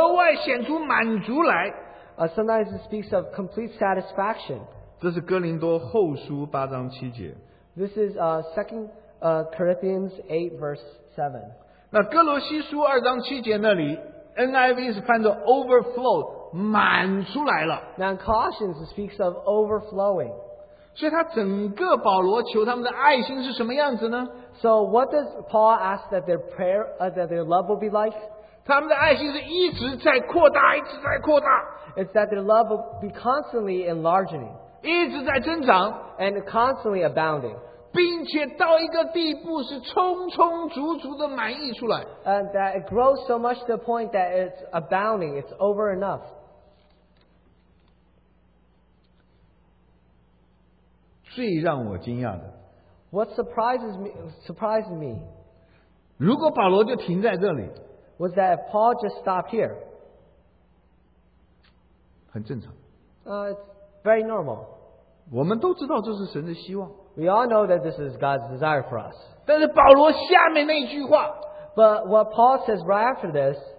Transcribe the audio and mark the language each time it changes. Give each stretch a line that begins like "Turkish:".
Chinese: 有的时候说格外显出满足来。
English: Sometimes it speaks of complete satisfaction.
Chinese: 这是哥林多后书八章七节。
English: This is 2 Corinthians 8 verse 7.
Chinese: 那哥罗西书二章七节那里 NIV是翻作 overflow 满出来了。
English: Now in Colossians it speaks of overflowing.
Chinese: 所以他整个保罗求他们的爱心是什么样子呢？
English: So what does Paul ask that their prayer, that their love will be like?
Chinese: 他们的爱心是一直在扩大，一直在扩大。
English: It's that their love will be constantly enlarging.
Chinese: 一直在增长。
English: And constantly abounding.
Chinese: 并且到一个地步是充充足足的满溢出来。
English: And that it grows so much to the point that it's abounding, it's over enough.
Chinese: 最让我惊讶的,
English: what surprises me,
Chinese: 如果保罗就停在这里,
English: was that if Paul just stopped here,
Chinese: 很正常,
English: it's very normal.
Chinese: 我们都知道这是神的希望。
English: We all know that this is God's desire for us.
Chinese: 但是保罗下面那句话,
English: but what Paul says right after this,